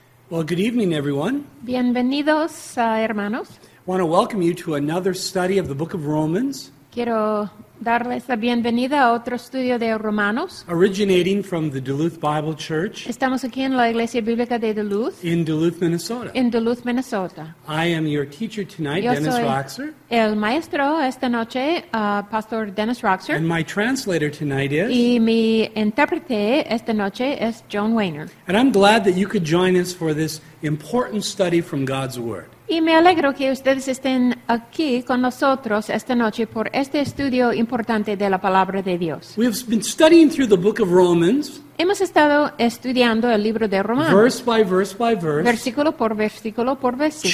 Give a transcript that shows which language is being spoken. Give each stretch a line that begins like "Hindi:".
English: Well, good evening, everyone.
Spanish: Bienvenidos, hermanos.
English: I want to welcome you to another study of the book of Romans.
Spanish: Quiero darles la bienvenida a otro estudio de Romanos.
English: Originating from the Duluth Bible Church.
Spanish: Estamos aquí en la Iglesia Bíblica de Duluth.
English: In Duluth, Minnesota. In Duluth, Minnesota. I am your teacher tonight,
Spanish: Yo
English: Dennis Roxer.
Spanish: El maestro esta noche, Pastor Dennis Roxer.
English: And my translator tonight is.
Spanish: Y mi intérprete esta noche es Joan Wainer.
English: And I'm glad that you could join us for this important study from God's Word.
Spanish: Y me alegro que ustedes estén aquí con nosotros esta noche por este estudio importante de la Palabra de Dios.
English: We have been studying through the book of Romans.
Spanish: Hemos estado estudiando el libro de Romanos.
English: Verse by verse by verse.
Spanish: Versículo por versículo por versículo.